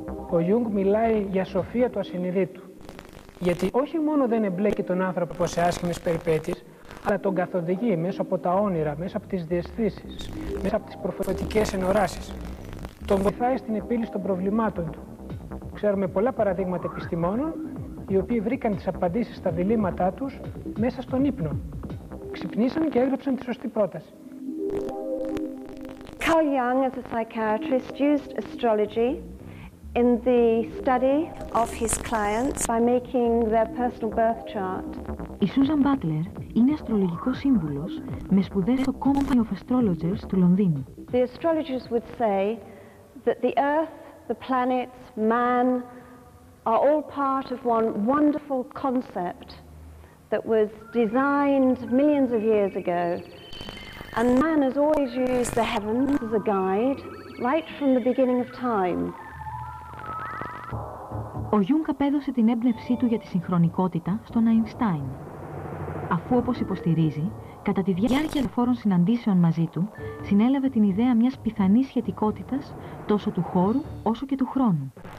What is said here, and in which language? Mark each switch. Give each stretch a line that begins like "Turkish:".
Greek: Ο Γιούγκ μιλάει για σοφία του ασυνειδήτου. Γιατί όχι μόνο δεν εμπλέκει τον άνθρωπο σε άσχημες περιπέτειες, αλλά τον καθοδηγεί μέσα από τα όνειρα, μέσα από τις διαισθήσεις, μέσα από τις προφητικές ενοράσεις. Τον βοηθάει στην επίλυση των προβλημάτων του. Ξέρουμε πολλά παραδείγματα επιστημόνων, οι οποίοι βρήκαν τις απαντήσεις στα διλήμματά τους μέσα στον ύπνο. Ξυπνήσαν και έγραψαν τη σωστή πρόταση.
English: Carl Jung, as a psychiatrist, used astrology in the study of his clients by making their personal birth chart.
Greek: Η Susan Butler είναι αστρολογικός σύμβουλος με σπουδές στο Company of Astrologers του Λονδίνου.
English: The astrologers would say that the Earth, the planets, man are all part of one wonderful concept that was designed millions of years ago. And man has always used the heavens as a guide right from the beginning of time.
Greek: Ο Jung απέδωσε την έμπνευσή του για τη συγχρονικότητα στον Einstein. Αφού, όπως υποστηρίζει, κατά τη διάρκεια διαφόρων συναντήσεων μαζί του, συνέλαβε την ιδέα μιας πιθανής σχετικότητας τόσο του χώρου όσο και του χρόνου.